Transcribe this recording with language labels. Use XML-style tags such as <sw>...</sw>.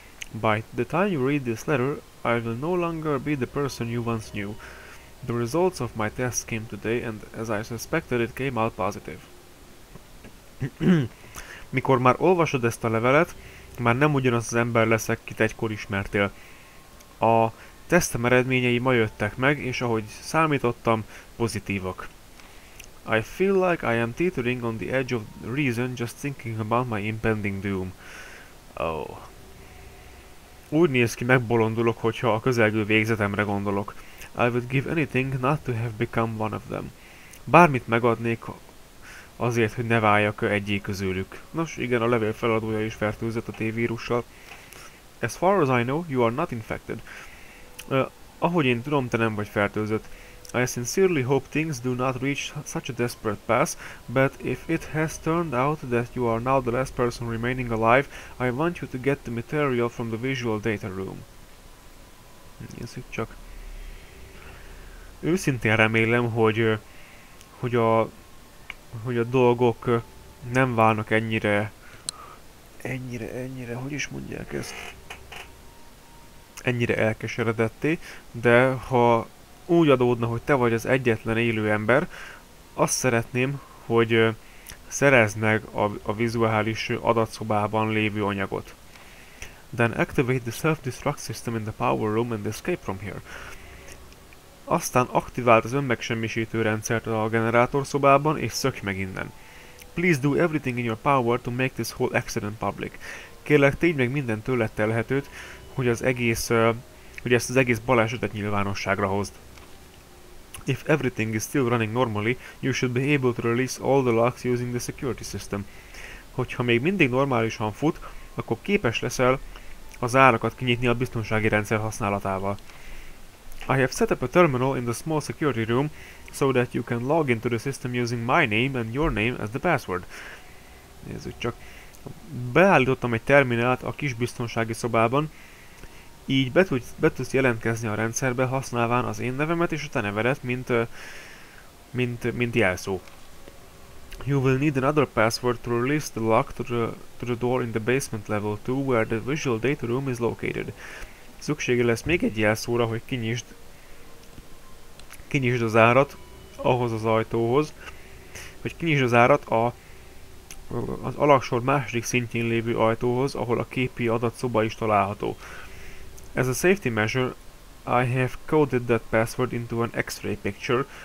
<en>By the time you read this letter, I will no longer be the person you once knew. The results of my tests came today, and as I suspected, it came out positive.</en> <hu>Mikor már olvasod ezt a levelet, már nem ugyanaz az ember leszek, kit egykor ismertél. A tesztem eredményei ma jöttek meg, és ahogy számítottam, pozitívak.</hu> <en>I feel like I am teetering on the edge of reason just thinking about my impending doom. Oh.</en> <hu>Úgy néz ki, megbolondulok, hogyha a közelgő végzetemre gondolok.</hu> <en>I would give anything not to have become one of them.</en> <hu>Bármit megadnék azért, hogy ne váljak egyik közülük. Nos, igen, a levél feladója is fertőzött a T-vírussal.</hu> <en>As far as I know, you are not infected.</en> <hu>Ahogy én tudom, te nem vagy fertőzött.</hu> <en>I sincerely hope things do not reach such a desperate pass, but if it has turned out that you are now the last person remaining alive, I want you to get the material from the visual data room.</en> <hu>Nézzük csak. Őszintén remélem, hogy a dolgok nem válnak ennyire, hogy is mondják ezt? Ennyire elkeseredetté, de ha úgy adódna, hogy te vagy az egyetlen élő ember, azt szeretném, hogy szerezd meg a vizuális adatszobában lévő anyagot.</hu> <en>Then activate the self-destruct system in the power room and escape from here.</en> <hu>Aztán aktiváld az önmegsemmisítő rendszert a generátorszobában, és szökj meg innen.</hu> <en>Please do everything in your power to make this whole accident public.</en> <hu>Kérlek, tégy meg minden tőlettel lehetőt, hogy az egész, hogy ezt az egész balesetet nyilvánosságra hozd.</hu> <en>If everything is still running normally, you should be able to release all the locks using the security system.</en> <hu>Hogyha még mindig normálisan fut, akkor képes leszel a zárakat kinyitni a biztonsági rendszer használatával.</hu> <en>I have set up a terminal in the small security room, so that you can log into the system using my name and your name as the password.</en> <hu>Nézzük csak. Beállítottam egy terminált a kis biztonsági szobában, így be tudsz jelentkezni a rendszerbe, használván az én nevemet és a te nevedet, mint jelszó.</hu> <en>You will need another password to release the lock to the door in the basement level 2, where the visual data room is located.</en> <hu>Szükséged lesz még egy jelszóra, hogy kinyisd az árat ahhoz az ajtóhoz, hogy kinyisd az árat a az alaksor második szintjén lévő ajtóhoz, ahol a képi adatszoba is található.</hu> <en>As a safety measure, I have coded that password into an X-ray picture.</en>